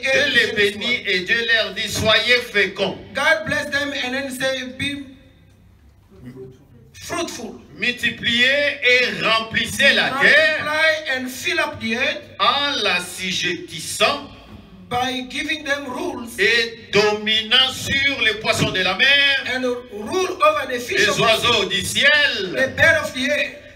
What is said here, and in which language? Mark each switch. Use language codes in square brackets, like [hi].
[fr] Dieu les bénit et Dieu leur dit, soyez féconds. [en] God bless them and then say, be fruitful. [fr] Multipliez et remplissez la terre [en] and fill up the earth [fr] en la sujettissant [en] by giving them rules [fr] et dominant sur les poissons de la mer [en] and rule over the fish [fr] les oiseaux du ciel [en] the bird of the air